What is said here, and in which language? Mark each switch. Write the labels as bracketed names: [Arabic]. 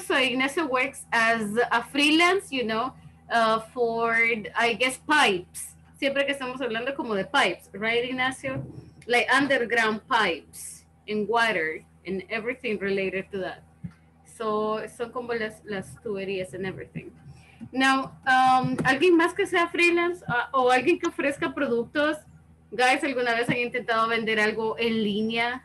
[English] So Ignacio works as a freelance, you know, for, I guess, pipes. [Spanish] Siempre que estamos hablando como de pipes, right, Ignacio? [English] Like underground pipes and water and everything related to that. [Spanish] So son como las tuberías [English] and everything. [Spanish] Now, ¿alguien más que sea freelance o alguien que ofrezca productos? Guys, ¿alguna vez han intentado vender algo en línea?